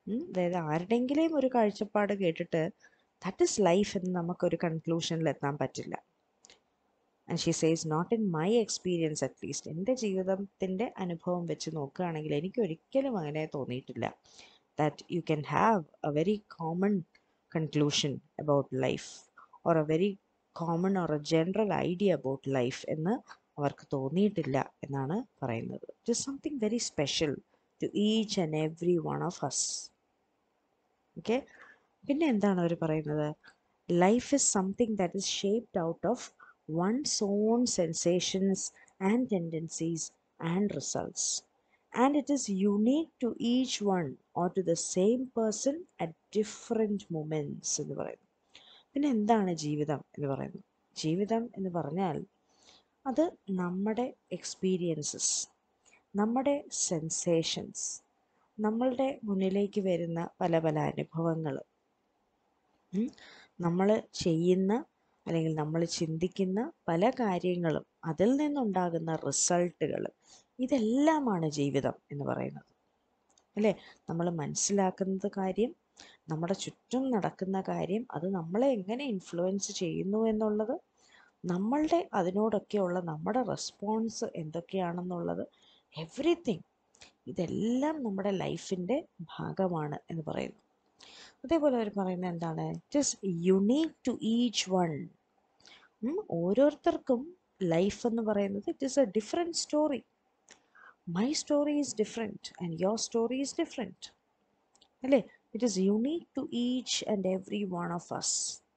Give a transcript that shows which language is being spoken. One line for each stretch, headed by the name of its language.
Malayalam: അതായത് ആരുടെങ്കിലും ഒരു കാഴ്ചപ്പാട് കേട്ടിട്ട്
English: that is life
Malayalam: എന്ന് നമുക്കൊരു കൺക്ലൂഷനിലെത്താൻ പറ്റില്ല.
English: And she says not in my experience at least.
Malayalam: എൻ്റെ ജീവിതത്തിൻ്റെ അനുഭവം വെച്ച് നോക്കുകയാണെങ്കിൽ എനിക്കൊരിക്കലും അങ്ങനെ തോന്നിയിട്ടില്ല.
English: That you can have a very common conclusion about life or a very common or a general idea about life
Malayalam: എന്ന് അവർക്ക് തോന്നിയിട്ടില്ല എന്നാണ് പറയുന്നത്.
English: It is something very special to each and every one of us. Okay,
Malayalam: പിന്നെ എന്താണ് അവർ പറയുന്നത്?
English: Life is something that is shaped out of one's own sensations and tendencies and results. And it is unique to each one or to the same person at different moments.
Malayalam: എന്ന് പറയുന്നു. പിന്നെ എന്താണ് ജീവിതം എന്ന് പറയുന്നു? ജീവിതം എന്ന് പറഞ്ഞാൽ അത് നമ്മുടെ എക്സ്പീരിയൻസസ്, നമ്മുടെ സെൻസേഷൻസ്, നമ്മളുടെ മുന്നിലേക്ക് വരുന്ന പല പല അനുഭവങ്ങൾ, നമ്മൾ ചെയ്യുന്ന അല്ലെങ്കിൽ നമ്മൾ ചിന്തിക്കുന്ന പല കാര്യങ്ങളും, അതിൽ നിന്നുണ്ടാകുന്ന റിസൾട്ടുകൾ, ഇതെല്ലാമാണ് ജീവിതം എന്ന് പറയുന്നത് അല്ലേ. നമ്മൾ മനസ്സിലാക്കുന്നത് കാര്യം, നമ്മുടെ ചുറ്റും നടക്കുന്ന കാര്യം, അത് നമ്മളെ എങ്ങനെ ഇൻഫ്ലുവൻസ് ചെയ്യുന്നു എന്നുള്ളത്, നമ്മളുടെ അതിനോടൊക്കെയുള്ള നമ്മുടെ റെസ്പോൺസ് എന്തൊക്കെയാണെന്നുള്ളത്, എവ്രിതിങ്, ഇതെല്ലാം നമ്മുടെ ലൈഫിൻ്റെ ഭാഗമാണ് എന്ന് പറയുന്നു. അതേപോലെ അവർ പറയുന്നത് എന്താണ്?
English: Just unique to each one.
Malayalam: ഓരോരുത്തർക്കും ലൈഫ് എന്ന് പറയുന്നത്
English: It is a different story. My story is different and your story is different. Alle, it is unique to each and every one of us.